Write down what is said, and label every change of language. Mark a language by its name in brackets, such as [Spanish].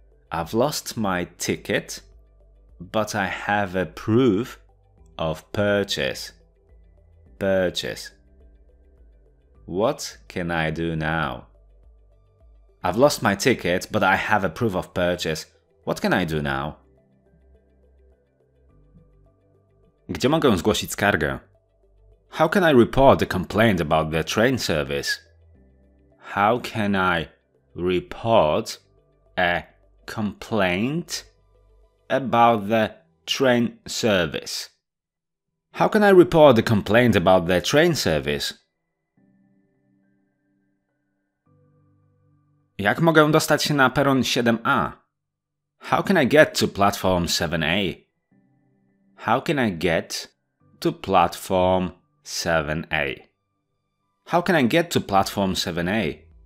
[English] I've lost my ticket, but I have a proof of purchase. Purchase. What can I do now? I've lost my ticket, but I have a proof of purchase. What can I do now? [Polish] Gdzie mogę zgłosić skargę? [English] How can I report the complaint about the train service? How can I report a complaint about the train service? How can I report the complaint about the train service? [Polish] Jak mogę dostać się na peron 7A? [English] How can I get to platform 7A? How can I get to platform 7A? How can I get to platform 7A?